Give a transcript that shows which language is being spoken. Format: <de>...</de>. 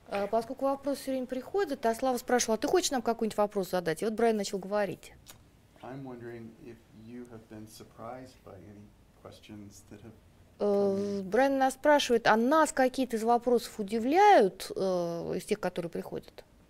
<ru>Поскольку вопрос все время приходит, а Слава спрашивала, а ты хочешь нам какой-нибудь вопрос задать? И вот Брайан начал говорить.</ru> <en>I'm wondering if you have been surprised by any questions that have.</en> <ru>Брайан нас спрашивает, а нас какие-то из вопросов удивляют из тех, которые приходят?</ru>